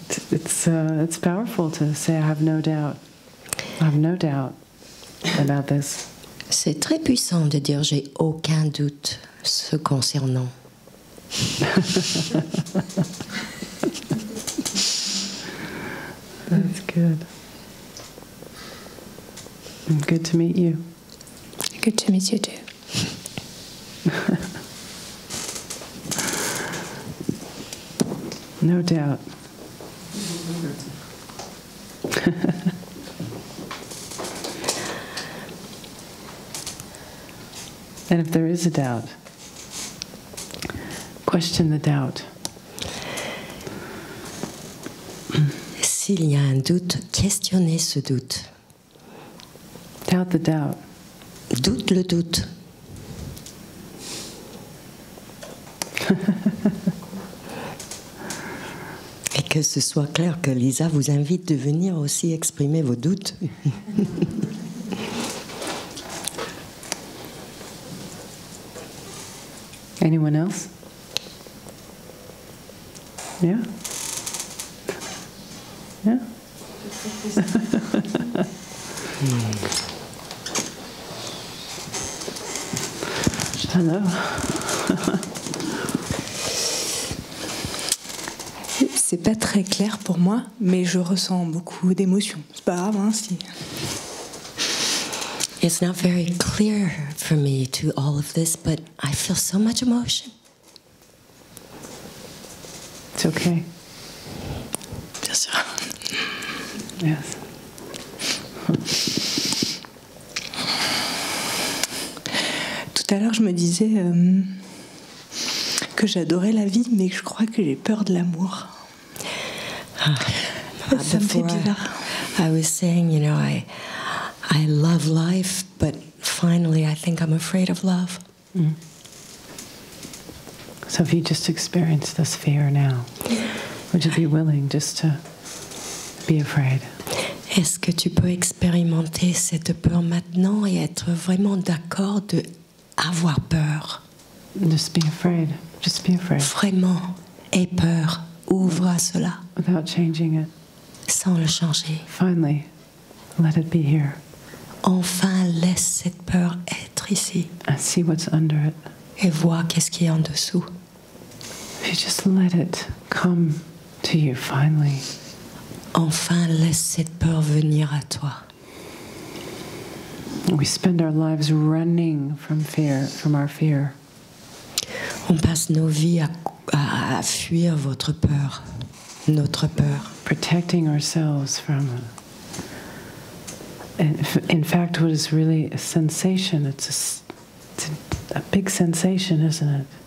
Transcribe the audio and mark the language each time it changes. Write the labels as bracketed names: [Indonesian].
[English] It's powerful to say I have no doubt. I have no doubt about this. [French] C'est très puissant de dire j'ai aucun doute ce concernant. [English] That's good. Good to meet you. Good to meet you too. No doubt. And if there is a doubt, question the doubt. [French] S'il y a un doute, questionnez ce doute. [English] Doubt the doubt. [French] Doute le doute. Et que ce soit clair que Lisa vous invite de venir aussi exprimer vos doutes. [English] Anyone else? Yeah? Yeah? Hello. [French] C'est pas très clair pour moi, mais je ressens beaucoup d'émotions. C'est pas grave, hein, si. [English] It's not very clear for me to all of this, but I feel so much emotion. It's okay. [French] Bien sûr. [English] Yes. [French] Tout à l'heure, je me disais que j'adorais la vie, mais que je crois que j'ai peur de l'amour. Ça me fait bizarre. [English] I was saying, you know, I love life, but finally I think I'm afraid of love. Mm. So if you just experience this fear now, would you be willing just to be afraid? [French] Est-ce que tu peux expérimenter cette peur maintenant et être vraiment d'accord de avoir peur? [English] Just be afraid. Just be afraid. [French] Vraiment, aie peur. Ouvre à cela. [English] Without changing it. [French] Sans le changer. [English] Finally, let it be here. [French] Enfin, laisse cette peur être ici. [English] And see what's under it. [French] Et vois qu'est-ce qui est en dessous. [English] You just let it come to you finally. [French] Enfin, laisse cette peur venir à toi. [English] We spend our lives running from fear, from our fear. [French] On passe nos vies à fuir votre peur, notre peur. [English] Protecting ourselves from. In fact, what is really a sensation? It's a big sensation, isn't it?